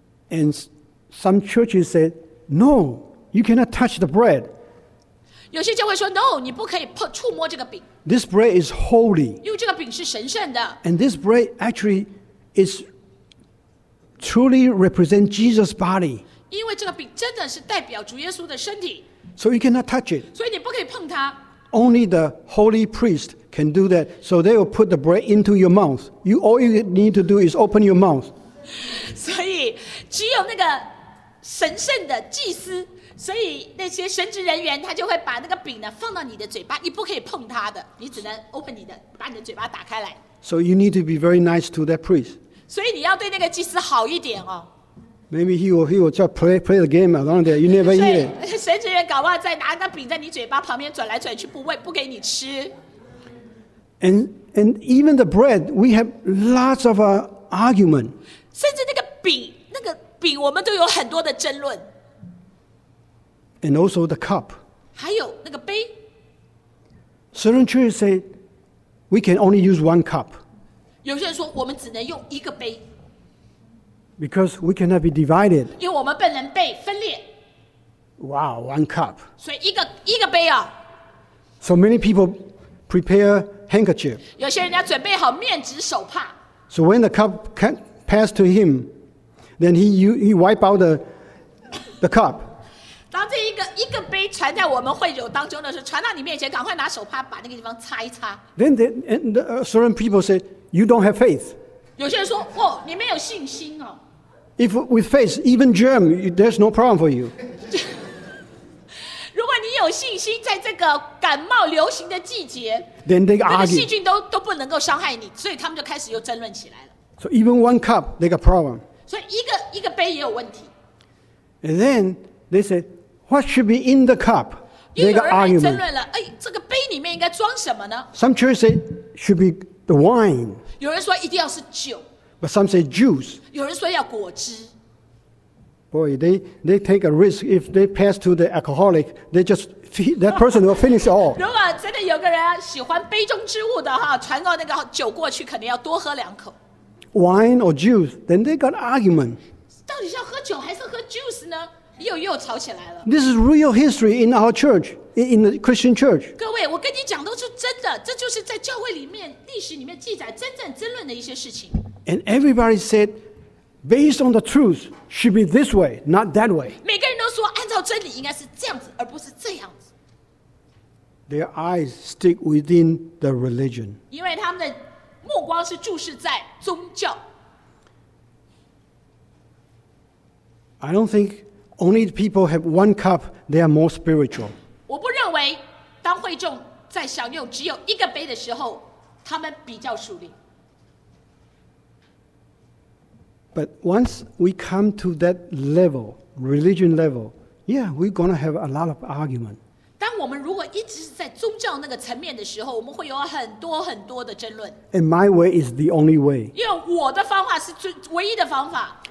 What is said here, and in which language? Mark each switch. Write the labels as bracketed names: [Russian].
[English] And some churches said, no, you cannot touch the bread. [Chinese] 有些教会说 ： [English] “No， [Chinese] 你不可以触摸这个饼。” [English] This bread is holy. [Chinese] 因为这个饼是神圣的。 [English] And this bread actually is truly represent Jesus' body. [Chinese] 因为这个饼真的是代表主耶稣的身体。 [English] So you cannot touch it. [Chinese] 所以你不可以碰它。 [English] Only the holy priest can do that. So they will put the bread into your mouth. You all you need to do is open your mouth. [Chinese] 所以只有那个神圣的祭司。所以那些神职人员他就会把那个饼呢放到你的嘴巴，你不可以碰它的，你只能 [English] open [Chinese] 你的，把你的嘴巴打开来。 [English] So you need to be very nice to that priest. [Chinese] 所以你要对那个祭司好一点哦。 [English] Maybe he will just play the game around there. You never eat it. [Chinese] 神职人搞不好在拿那饼在你嘴巴旁边转来转去，不给你吃。 [English] And even the bread, we have lots of argument. [Chinese] 甚至那个饼，我们都有很多的争论。 [English] And also the cup. [Chinese] 还有那个杯。 [English] Certain churches say we can only use one cup. [Chinese] 有些人说我们只能用一个杯。 [English] Because we cannot be divided. [Chinese] 因为我们不能被分裂。 [English] Wow, one cup. [Chinese] 所以一个杯啊。 [English] So many people prepare handkerchief. [Chinese] 有些人要准备好面纸手帕。 [English] So when the cup passed to him, then he wipe out the cup. [Chinese] 当这一个杯传在我们会友当中的时候，传到你面前，赶快拿手帕把那个地方擦一擦。 [English] Then the certain people say you don't have faith. [Chinese] 有些人说，哦，你没有信心哦。 [English] If with faith, even germ, there's no problem for you. [Chinese] 如果你有信心，在这个感冒流行的季节 [English] ，then they argue. [Chinese] 那个细菌都不能够伤害你，所以他们就开始又争论起来了。 [English] So even one cup, they got problem. [Chinese] 所以一个杯也有问题。 [English] And then they say. What should be in the cup? They got argument. [Chinese] 哎，这个杯里面应该装什么呢？ [English] Some churches say should be the wine. [Chinese] 有人说一定要是酒。 [English] But some say juice. [Chinese] 有人说要果汁。 [English] Boy, they take a risk. If they pass to the alcoholic, they just that person will finish all. [Chinese] 如果真的有个人喜欢杯中之物的哈，传到那个酒过去，肯定要多喝两口。 [English] Wine or juice? Then they got argument. [Chinese] 到底是要喝酒还是喝 [English] juice [Chinese] 呢？又吵起来了。 [English] This is real history in our church, in the Christian church. [Chinese] 各位，我跟你讲都是真的，这就是在教会里面历史里面记载真正争论的一些事情。 [English] And everybody said, based on the truth, should be this way, not that way. [Chinese] 每个人都说按照真理应该是这样子，而不是这样子。 [English] Their eyes stick within the religion. [Chinese] 因为他们的目光是注视在宗教。 [English] I don't think. Only people have one cup, they are more spiritual. [Chinese] 我不认为当会众在享用只有一个杯的时候，他们比较属灵。 [English] But once we come to that level, religion level, yeah, we're going to have a lot of argument. [Chinese] 当我们如果一直是在宗教那个层面的时候，我们会有很多很多的争论。 [English] And my way is the only way. [Chinese] 因为我的方法是唯一的方法。